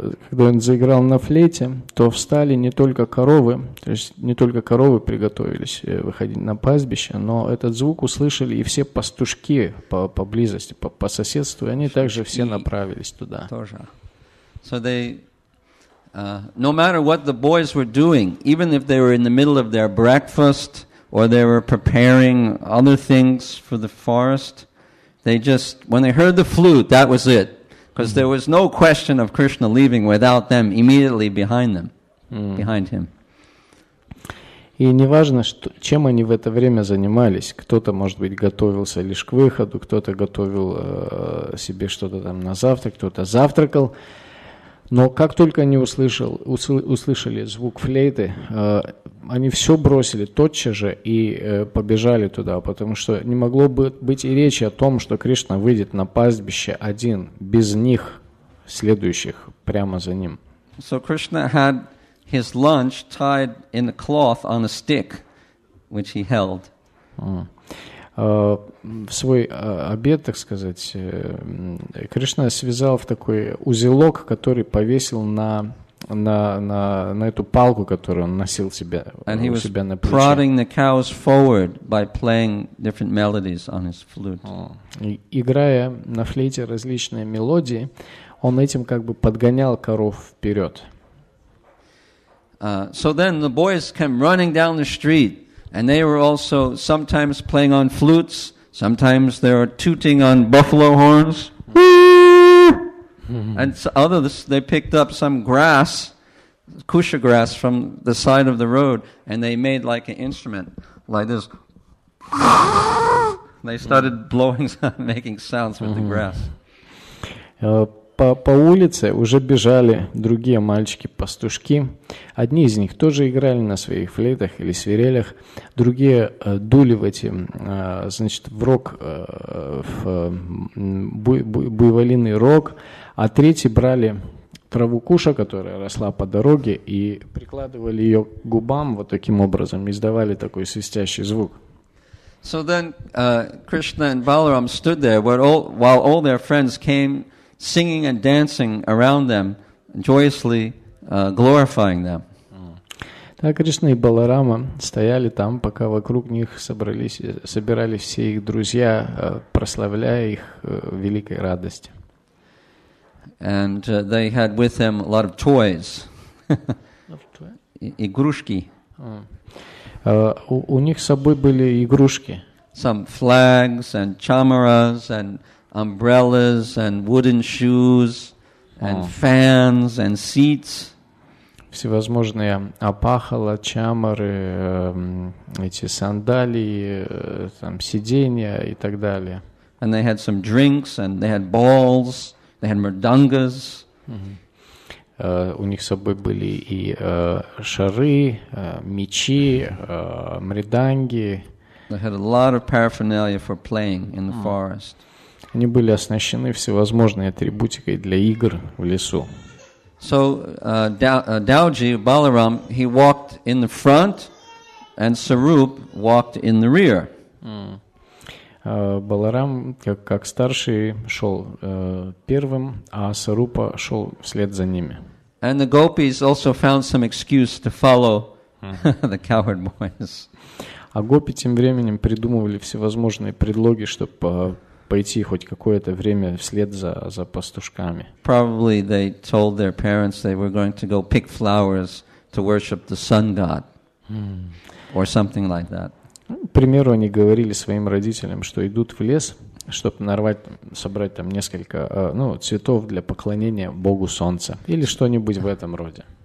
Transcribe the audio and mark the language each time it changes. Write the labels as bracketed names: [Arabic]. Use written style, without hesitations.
[Russian] Когда он заиграл на флейте, то встали не только коровы, то есть не только коровы приготовились выходить на пастбище, но этот звук услышали и все пастушки поблизости, по соседству, и они также все направились туда. Тоже. [English] So they, no matter what the boys were doing, even if they were in the middle of their breakfast or they were preparing other things for the forest, they just, when they heard the flute, that was it. Because there was no question of Krishna leaving without them immediately behind them, behind him. [Russian] И неважно, чем они в это время занимались. Кто-то, может быть, готовился лишь к выходу, кто-то готовил себе что-то там на завтрак, кто-то завтракал. Но как только они услышали звук флейты, они все бросили тотчас же и побежали туда, потому что не могло быть и речи о том, что Кришна выйдет на пастбище один, без них, следующих, прямо за ним. [English] So Krishna had his lunch tied in a cloth on a stick, which he held. [Russian] В свой обед, так сказать, Кришна связал в такой узелок, который повесил на эту палку, которую он носил себе, у себя на плече. Играя на флейте различные мелодии, он этим как бы подгонял коров вперед. [English] So then the boys came running down the street. And they were also sometimes playing on flutes, sometimes they were tooting on buffalo horns. And others, they picked up some grass, kusha grass, from the side of the road, and they made like an instrument, like this. They started blowing, making sounds with the grass. [Russian] По улице уже бежали другие мальчики-пастушки. Одни из них тоже играли на своих флейтах или свирелях. Другие дули в эти, значит, в рог, в буйволиный рог. А третьи брали траву куша, которая росла по дороге, и прикладывали ее к губам вот таким образом, издавали такой свистящий звук. [English] So then Krishna and Balaram stood there while all their friends came singing and dancing around them, joyously glorifying them. [Russian] Так Кришна и Баларама стояли там, пока вокруг них собирались все их друзья, прославляя их великой радости. [English] And they had with them a lot of toys. [Russian] Игрушки. У них с собой были игрушки. [English] Some flags and chamaras and umbrellas and wooden shoes and fans and seats. [Russian] Всевозможные опахала, чамары, эти сандалии, там сиденья и так далее. [English] And they had some drinks and they had balls, they had mridangas. [Russian] У них с собой были и шары, мечи, мриданги. [English] They had a lot of paraphernalia for playing in the forest. [Russian] Они были оснащены всевозможной атрибутикой для игр в лесу. [English] So Dauji, Balaram, he walked in the front, and Sarup walked in the rear. [Russian] Баларам, как старший, шел первым, а Сарупа шел вслед за ними. [English] And the gopis also found some excuse to follow the coward boys. [Russian] А гопи тем временем придумывали всевозможные предлоги, чтобы пойти хоть какое-то время вслед за пастушками. [English] Probably they told their parents they were going to go pick flowers to worship the sun god, or something like that. [Russian] К примеру, они говорили своим родителям, что идут в лес, чтобы нарвать, собрать там несколько цветов для поклонения Богу Солнца или что-нибудь в этом роде.